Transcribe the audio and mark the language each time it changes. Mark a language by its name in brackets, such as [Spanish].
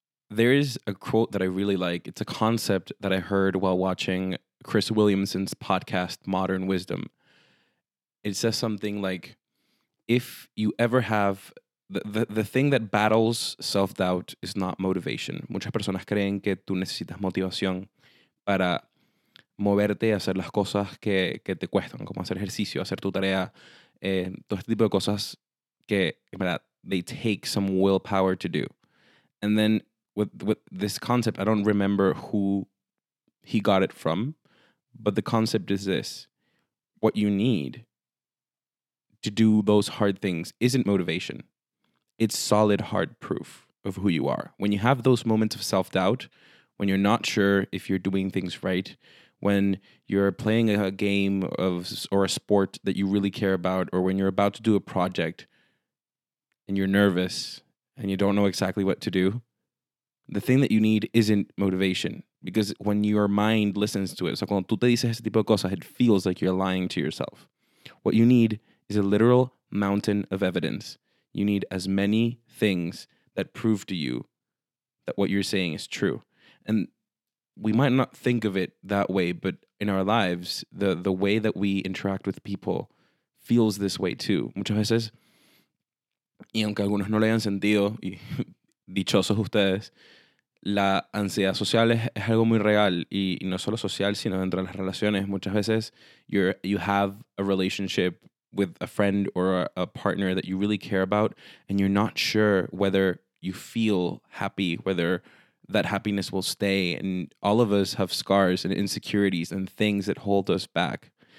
[English] There is a quote that I really like. It's a concept that I heard while watching Chris Williamson's podcast, Modern Wisdom. It says something like, if you ever have, the thing that battles self-doubt is not motivation. [Spanish] Muchas personas creen que tú necesitas motivación para moverte, hacer las cosas que te cuestan, como hacer ejercicio, hacer tu tarea, todo este tipo de cosas que, en verdad, [English] they take some willpower to do. And then with this concept, I don't remember who he got it from, but the concept is this: what you need to do those hard things isn't motivation. It's solid, hard proof of who you are. When you have those moments of self-doubt, when you're not sure if you're doing things right, when you're playing a game or a sport that you really care about, or when you're about to do a project and you're nervous and you don't know exactly what to do, the thing that you need isn't motivation. Because when your mind listens to it, so [Spanish] cuando tú te dices ese tipo de cosas, [English] it feels like you're lying to yourself. What you need is a literal mountain of evidence. You need as many things that prove to you that what you're saying is true. And we might not think of it that way, but in our lives, the way that we interact with people feels this way too. [Spanish] Muchas veces, y aunque algunos no le hayan sentido, y dichosos ustedes, la ansiedad social es algo muy real, y no solo social, sino dentro de las relaciones. Muchas veces [English] you have a relationship with a friend or a partner that you really care about, and you're not sure whether you feel happy, whether that happiness will stay. And all of us have scars and insecurities and things that hold us back.